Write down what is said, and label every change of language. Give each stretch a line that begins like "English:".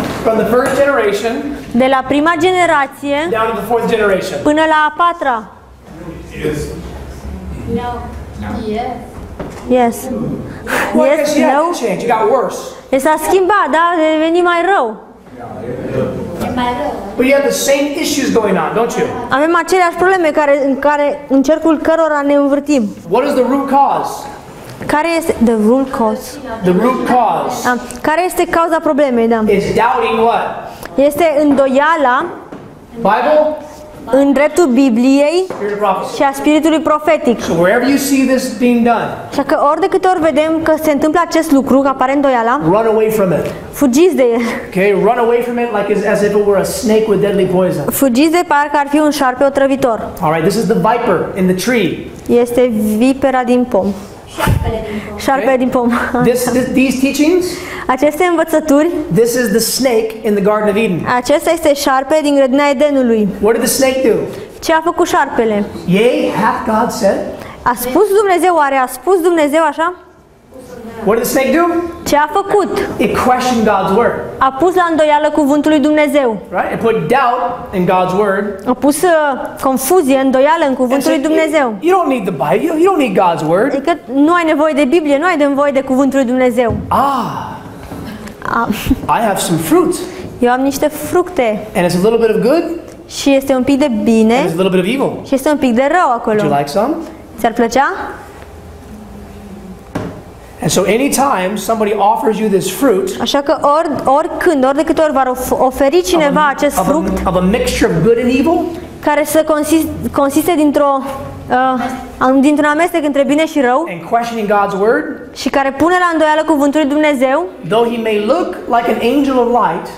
English: From the first generation?
Romanian: De la prima generație
English: down to the fourth generation.
Romanian: Până la a patra.
English: Yes. No. Yes. Yes. Well, yes, yeah, no. It changed. It got worse.
Romanian: E s-a schimbat, da, a devenit mai rău. E mai rău.
English: But you have the same issues going on, don't you?
Romanian: Avem aceleași probleme care în care în cercul cărora ne învârtim.
English: What is the root cause?
Romanian: Care este
English: the root cause? The root cause.
Romanian: Care este cauza problemei, da?
English: Is doubting what?
Romanian: Este îndoiala
English: Bible?
Romanian: În dreptul Bibliei și a Spiritului profetic.
English: So wherever you see this being done,
Romanian: așa că ori de câte ori vedem că se întâmplă acest lucru, că apare îndoiala,
English: run away from it.
Romanian: Fugiți de el.
English: Okay, run away from it like as if it were a snake with deadly poison.
Romanian: Fugiți de parcă ar fi un șarpe otrăvitor.
English: All right, this is the viper in the tree.
Romanian: Este vipera din pom. Șarpele din pom. Okay. Din pom.
English: These teachings?
Romanian: Aceste învățături.
English: This is the snake in the Garden of Eden.
Romanian: Acesta este șarpele din grădina Edenului.
English: What did the snake do?
Romanian: Ce a făcut șarpele?
English: Yea, hath God said?
Romanian: A spus Dumnezeu, oare a spus Dumnezeu așa?
English: What did the snake do?
Romanian: Ce a făcut?
English: It questioned God's word.
Romanian: A pus la îndoială cuvântul lui Dumnezeu.
English: Right? It put doubt in God's word.
Romanian: A pus confuzie, îndoială în cuvântul lui Dumnezeu.
English: You don't need the Bible. You don't need God's word.
Romanian: Adică nu ai nevoie de Biblie, nu ai nevoie de cuvântul lui Dumnezeu.
English: Ah. I have some fruit.
Romanian: Eu am niște fructe.
English: And it's a little bit of good.
Romanian: Și este un pic de bine.
English: And it's a little bit of evil.
Romanian: Și este un pic de rău acolo.
English: Would you like some?
Romanian: Ți-ar plăcea?
English: And so anytime somebody offers you this fruit,
Romanian: așa că oricând, ori de câte ori v-ar oferi cineva acest fruct,
English: of a mixture of good and evil,
Romanian: care să consiste dintr-un amestec între bine și rău,
English: and questioning God's word,
Romanian: și care pune la îndoială cuvântul lui Dumnezeu,
English: though he may look like an angel of light,